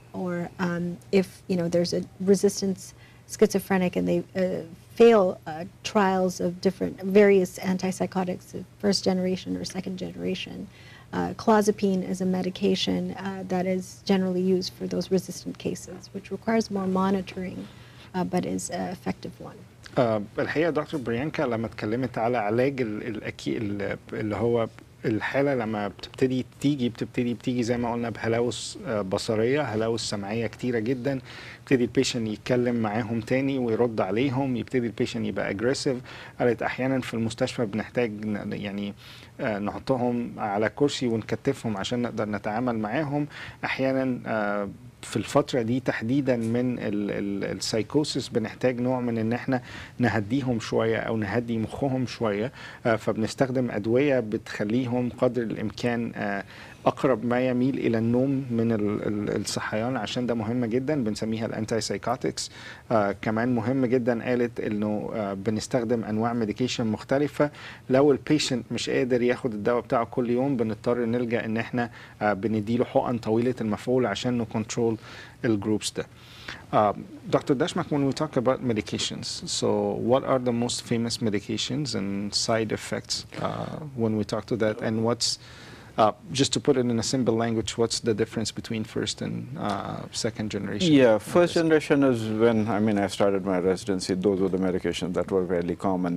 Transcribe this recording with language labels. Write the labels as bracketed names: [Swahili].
[English] Or if, you know, there's a resistance schizophrenic and they fail trials of different various antipsychotics, first generation or second generation, clozapine is a medication that is generally used for those resistant cases, which requires more monitoring, but is an effective one. [Arabic] الحقيقة دكتور بريانكا لما تكلمت على علاج الأكي اللي هو الحالة لما بتبتدي بتيجي زي ما قلنا بهلاوس بصرية هلاوس سمعية كتيرة جدا يبتدي البيشن يتكلم معاهم تاني ويرد عليهم يبتدي البيشن يبقى أجريسيف قالت أحيانا في المستشفى بنحتاج يعني نحطهم على كرسي ونكتفهم عشان نقدر نتعامل معاهم أحيانا في الفترة دي تحديدا من السايكوسيس بنحتاج نوع من ان احنا نهديهم شوية او نهدي مخهم شوية فبنستخدم ادوية بتخليهم قدر الامكان اقرب ما يميل الى النوم من الصحيان عشان ده مهم جدا بنسميها الانتي سايكوتكس كمان مهم جدا قالت انه بنستخدم انواع ميديكيشن مختلفة لو البيشنت مش قادر ياخد الدواء بتاعه كل يوم بنضطر نلجأ ان احنا بنديله حقن طويلة المفعول عشان نكونترول الجروبس ده. [English] Dr. Deshmukh, when we talk about medications, so what are the most famous medications and side effects when we talk to that, and what's just to put it in a simple language, what's the difference between first and second generation? Yeah, first generation is when, I mean, I started my residency, those were the medications that were fairly common.